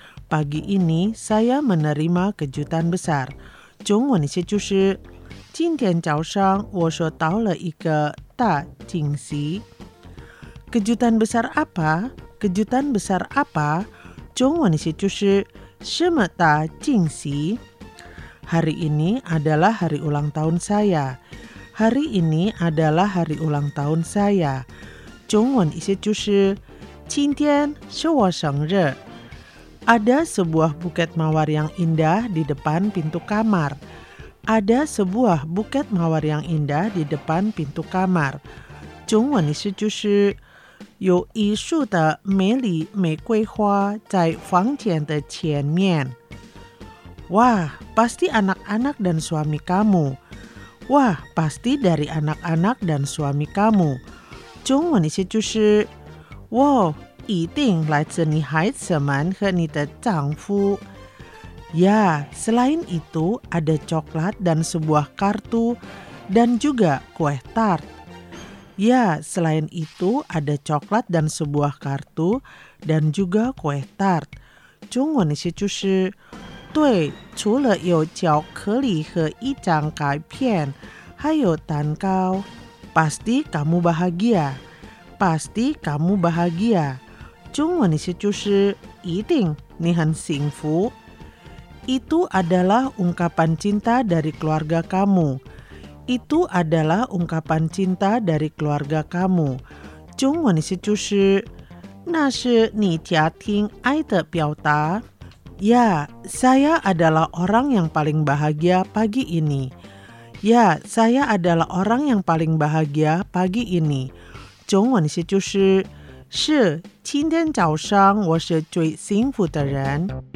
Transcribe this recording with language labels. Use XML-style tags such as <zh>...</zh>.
<id>Pagi ini saya menerima kejutan besar.</id> <zh>中文意思就是今天早上我收到了一个大惊喜。</zh> <id>Kejutan besar apa? Kejutan besar apa?</id> <zh>中文意思就是什么大惊喜。</zh> <id>Hari ini adalah hari ulang tahun saya. Hari ini adalah hari ulang tahun saya.</id> <zh>中文意思就是今天是我生日。</zh> <id>Ada sebuah buket mawar yang indah di depan pintu kamar. Ada sebuah buket mawar yang indah di depan pintu kamar.</id> <zh>中文的是就是 有一束的美丽玫瑰花在房间的前面。</zh> <id>Wah, pasti anak-anak dan suami kamu. Wah, pasti dari anak-anak dan suami kamu.</id> <zh>中文的意思就是 一定来自你孩子们和你的丈夫。</zh> <id>Ya, selain itu ada coklat dan sebuah kartu dan juga kue tart. Ya, selain itu ada coklat dan sebuah kartu dan juga kue tart.</id> <zh>中文的意思就是 对,除了有巧克力和一张卡片, 还有蛋糕,</zh> <id>pasti kamu bahagia. Pasti kamu bahagia.</id> <zh>中文的意思就是 一定,你很幸福.</zh> <id>Itu adalah ungkapan cinta dari keluarga kamu. Itu adalah ungkapan cinta dari keluarga kamu.</id> <zh>中文的意思就是 那是你家庭爱的表达.</zh> <id>Ya, saya adalah orang yang paling bahagia pagi ini. Ya, saya adalah orang yang paling bahagia pagi ini.</id> <zh>中文的意思就是 是,今天早上我是最幸福的人。</zh>